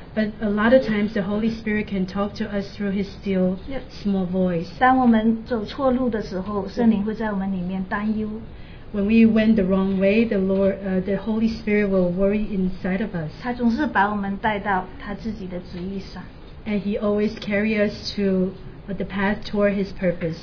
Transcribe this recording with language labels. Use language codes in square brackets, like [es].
[en] But a lot of times the Holy Spirit can talk to us through His still, small voice. [zh] 当我们走错路的时候，圣灵会在我们里面担忧。 [en] When we went the wrong way, the Holy Spirit will worry inside of us. [zh] 他总是把我们带到他自己的旨意上。And [en] He always carries us to the path toward His purpose.